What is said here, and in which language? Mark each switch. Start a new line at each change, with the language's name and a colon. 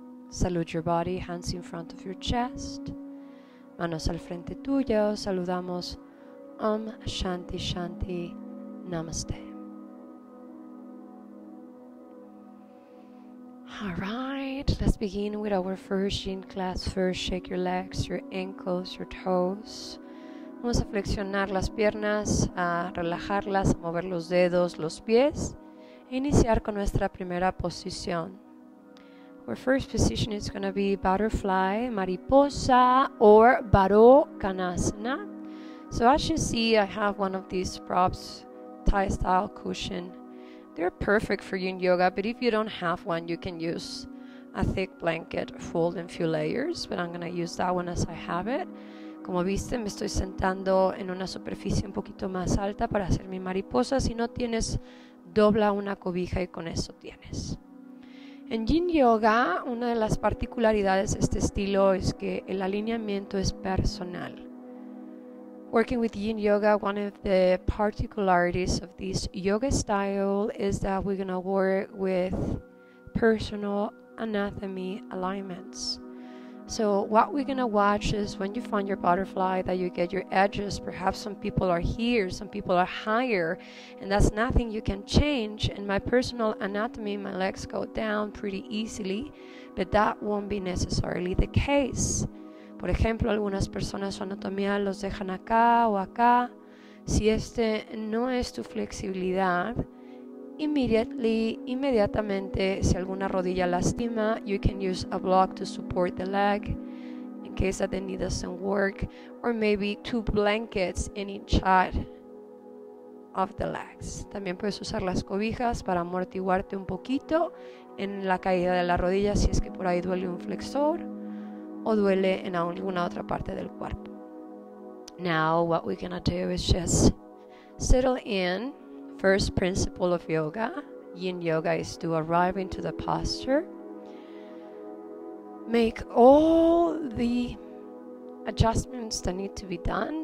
English: Salute your body, hands in front of your chest.
Spanish: Manos al frente tuyo. Saludamos.
Sanskrit: Om Shanti Shanti Namaste.
English: All right, let's begin with our first yin class. First, shake your legs, your ankles, your toes.
Spanish: Vamos a flexionar las piernas, a relajarlas, a mover los dedos, los pies, e iniciar con nuestra primera posición.
English: Our first position is going to be butterfly, mariposa, or baro kanasana. So as you see, I have one of these props, Thai style cushion. They're perfect for yin yoga, but if you don't have one, you can use a thick blanket fold in a few layers, but I'm going to use that one as I have it.
Spanish: Como viste, me estoy sentando en una superficie un poquito más alta para hacer mi mariposa. Si no tienes, dobla una cobija y con eso tienes. En Yin Yoga, una de las particularidades de este estilo es que el alineamiento es personal.
English: Working with Yin Yoga, one of the particularities of this yoga style is that we're going to work with personal anatomy alignments. So what we're going to watch is when you find your butterfly that you get your edges, perhaps some people are here, some people are higher, and that's nothing you can change. In my personal anatomy, my legs go down pretty easily, but that won't be necessarily the case.
Spanish: Por ejemplo, algunas personas su anatomía los dejan acá o acá. Si este no es tu flexibilidad, inmediatamente, si alguna rodilla lastima,
English: you can use a block to support the leg in case that the knee doesn't work, or maybe two blankets in each side of the legs.
Spanish: También puedes usar las cobijas para amortiguarte un poquito en la caída de la rodilla si es que por ahí duele un flexor o duele en alguna otra parte del cuerpo.
English: Now, what we're gonna do is just settle in. First principle of yoga, Yin Yoga, is to arrive into the posture. Make all the adjustments that need to be done.